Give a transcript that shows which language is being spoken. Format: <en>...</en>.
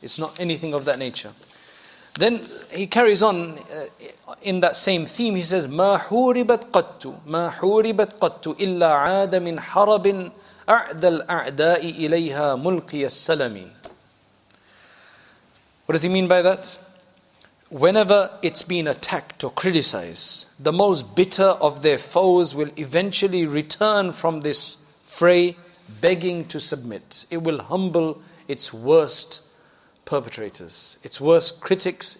<en>It's not anything of that nature. Then he carries on in that same theme. He says,</en> <ar>مَا حُورِبَتْ قَتُّ مَا حُورِبَتْ قَتُّ إِلَّا عَادَ مِنْ حَرَبٍ أَعْدَ الْأَعْدَاءِ إِلَيْهَا مُلْقِيَ السَّلَمِ.</ar> <en>What does he mean by that? Whenever it's been attacked or criticized, the most bitter of their foes will eventually return from this fray, begging to submit. It will humble its worst perpetrators, its worst critics.</en>